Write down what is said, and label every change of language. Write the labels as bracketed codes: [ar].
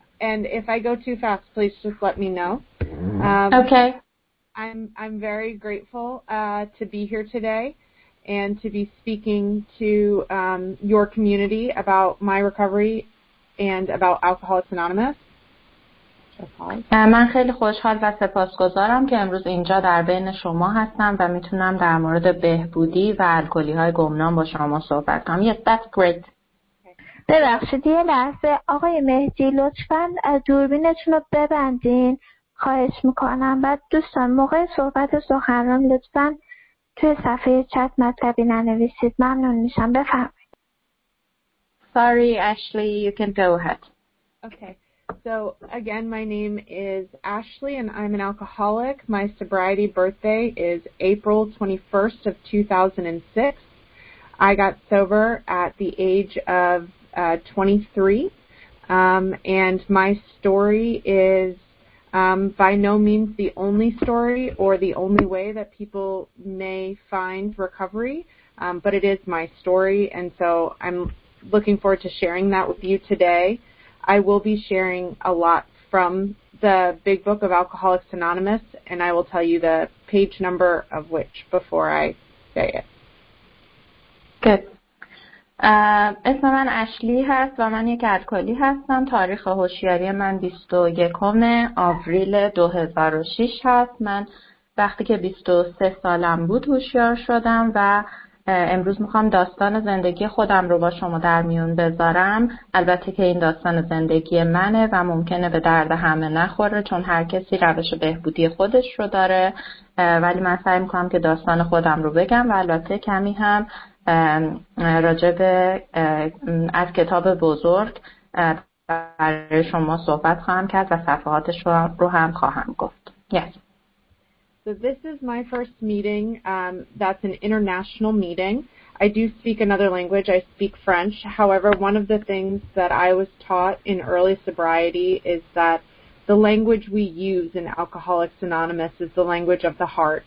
[en] And if I go too fast, please just let me know. Okay. I'm very grateful to be here today and to be speaking to your community about my recovery and about Alcoholics Anonymous. [fa] من خیلی خوشحال و سپاسگزارم که امروز اینجا در بین شما هستم و میتونم در مورد بهبودی و الکلی های گمنام با شما صحبت کنم. [en] Yes, that's great. [fa] ببخشید یه لحظه آقای مهدی، لطفاً دوربینتون رو ببندین، خواهش میکنم. بعد دوستان موقع صحبت سخنران لطفاً توی صفحه چت مطلبی ننویسید، ممنون میشم. بفرمایید. [en] Sorry Ashley, you can go ahead. Okay. So again, my name is Ashley and I'm an alcoholic. My sobriety birthday is April 21st of 2006. I got sober at the age of 23. And my story is by no means the only story or the only way that people may find recovery, but it is my story. And so I'm looking forward to sharing that with you today. I will be sharing a lot from the Big Book of Alcoholics Anonymous, and I will tell you the page number of which before I say it. Good. [fa] اسم من اشلی هست و من یک الکلی هستم. تاریخ هوشیاری من 21 آوریل 2006 هست. من وقتی که 23 سالم بود هوشیار شدم و امروز میخوام داستان زندگی خودم رو با شما در میون بذارم. البته که این داستان زندگی منه و ممکنه به درد همه نخوره چون هر کسی روش بهبودی خودش رو داره، ولی من سعی میکنم که داستان خودم رو بگم و البته کمی هم راجع به از کتاب بزرگ برای شما صحبت خواهم کرد و صفحاتش رو هم خواهم گفت. [en] Yes. So this is my first meeting. That's an international meeting. I do speak another language. I speak French. However, one of the things that I was taught in early sobriety is that the language we use in Alcoholics Anonymous is the language of the heart.